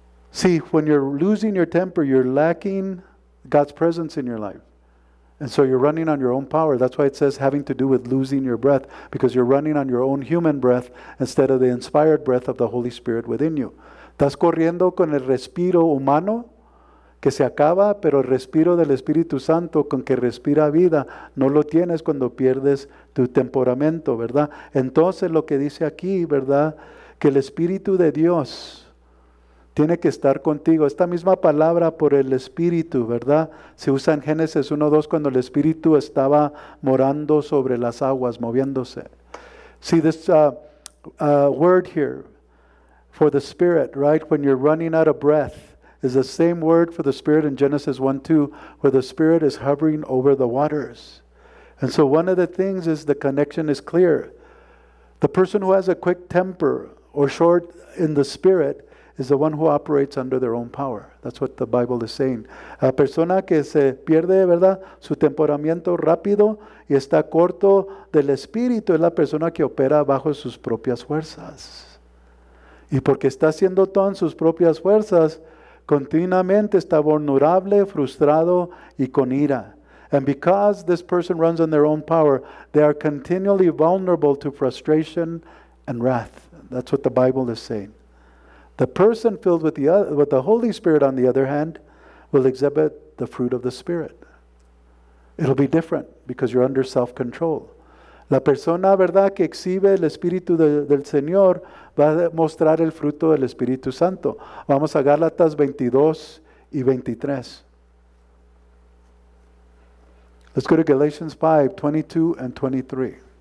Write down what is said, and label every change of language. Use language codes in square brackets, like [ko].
[en] See, when you're losing your temper, you're lacking God's presence in your life. And so you're running on your own power. That's why it says having to do with losing your breath, because you're running on your own human breath instead of the inspired breath of the Holy Spirit within you. [es] Estás corriendo con el respiro humano que se acaba, pero el respiro del Espíritu Santo con que respira vida no lo tienes cuando pierdes tu temperamento, ¿verdad? Entonces lo que dice aquí, ¿verdad?, que el Espíritu de Dios tiene que estar contigo. Esta misma palabra por el Espíritu, ¿verdad?, se usa en Génesis 1:2 cuando el Espíritu estaba morando sobre las aguas, moviéndose. [en] See, this word here for the Spirit, right, when you're running out of breath, is the same word for the Spirit in Genesis 1:2, where the Spirit is hovering over the waters. And so one of the things is the connection is clear. The person who has a quick temper or short in the Spirit is the one who operates under their own power. That's what the Bible is saying. [es] La persona que se pierde, ¿verdad?, su temperamento rápido y está corto del espíritu es la persona que opera bajo sus propias fuerzas. Y porque está haciendo todo en sus propias fuerzas, continuamente está vulnerable, frustrado y con ira. [en] And because this person runs on their own power, they are continually vulnerable to frustration and wrath. That's what the Bible is saying. The person filled with the Holy Spirit, on the other hand, will exhibit the fruit of the Spirit. It'll be different because you're under self-control. [es] La persona, ¿verdad?, que exhibe el Espíritu del Señor va a mostrar el fruto del Espíritu Santo. Vamos a Gálatas 22 y 23. [en] Let's go to Galatians 5, 22 and 23.